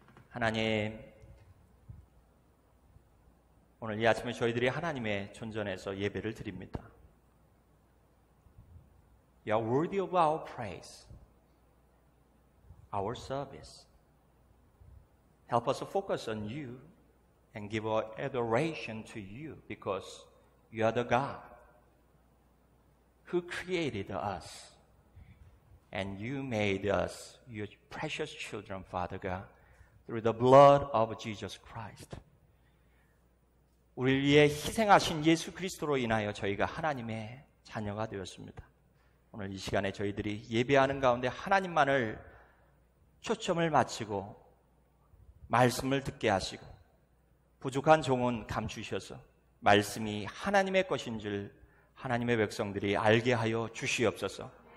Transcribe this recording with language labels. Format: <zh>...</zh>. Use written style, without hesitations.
<ko>하나님, 오늘 이 아침에 저희들이 하나님의 존전에서 예배를 드립니다.</ko> <en>You are worthy of our praise, our service. Help us focus on you and give our adoration to you because you are the God who created us and you made us your precious children, Father God, through the blood of Jesus Christ.</en> <ko>우리를 위해 희생하신 예수 그리스도로 인하여 저희가 하나님의 자녀가 되었습니다. 오늘 이 시간에 저희들이 예배하는 가운데 하나님만을 초점을 맞추고 말씀을 듣게 하시고 부족한 종은 감추셔서 말씀이 하나님의 것인 줄 하나님의 백성들이 알게 하여 주시옵소서.</ko>